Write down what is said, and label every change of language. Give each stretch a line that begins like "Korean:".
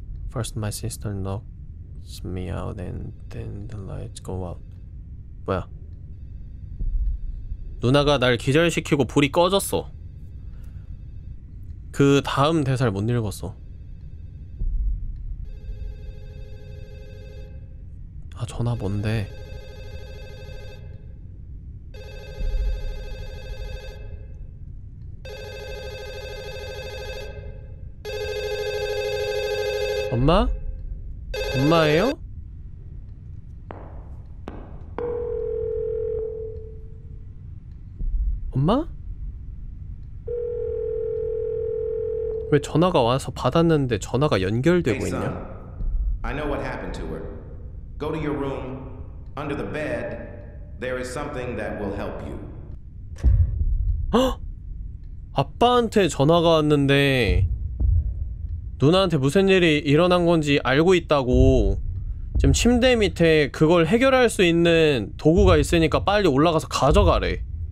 English: First my sister knocks me out and then the lights go out.
Korean: 뭐야? 누나가 날 기절시키고 불이 꺼졌어. 그 다음 대사를 못 읽었어. 아, 전화 뭔데? 엄마? 엄마예요? 엄마? 왜 전화가 와서 받았는데 전화가 연결되고 있냐?
English: Hey, I know what happened to her. Go to your room. Under the bed, there is something that will help you.
Korean: 아빠한테 전화가 왔는데 누나한테 무슨 일이 일어난 건지 알고 있다고. 지금 침대 밑에 그걸 해결할 수 있는 도구가 있으니까 빨리 올라가서 가져가래.